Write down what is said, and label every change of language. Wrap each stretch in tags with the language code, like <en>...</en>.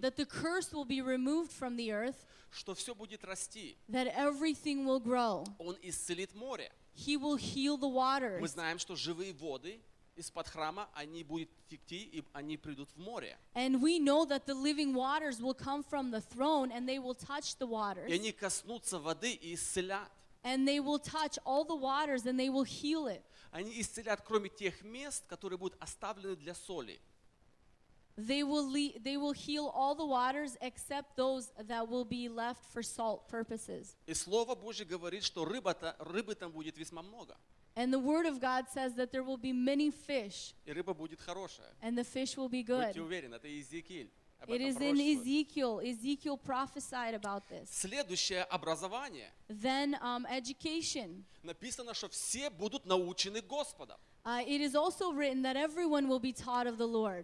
<en>that the curse will be removed from the earth.</en> <ru>Что все будет расти.</ru> <en>That everything will grow.</en> <ru>Он исцелит море.</ru> <en>He will heal the waters.</en> <ru>Мы знаем, что живые воды из-под храма, они будут текти, и они придут в море.</ru> <en>And we know that the living waters will come from the throne and they will touch the waters.</en> <ru>И они коснутся воды и исцелят.</ru> <en>And they will touch all the waters and they will heal it.</en> <ru>Они исцелят, кроме тех мест, которые будут оставлены для соли.</ru> <en>They will heal all the waters except those that will be left for salt purposes.</en> <ru>И Слово Божье говорит, что рыбы там будет весьма много.</ru> <en>And the word of God says that there will be many fish.</en> <ru>И рыба будет хорошая.</ru> <en>And the fish will be good.</en> <ru>Будьте уверены, это Иезекииль.</ru> <en>It is in Ezekiel. Ezekiel prophesied about this.</en> <ru>Следующее образование.</ru> <en>Then education.</en> <ru>Написано, что все будут научены Господом.</ru> <en>It is also written that everyone will be taught of the Lord.</en>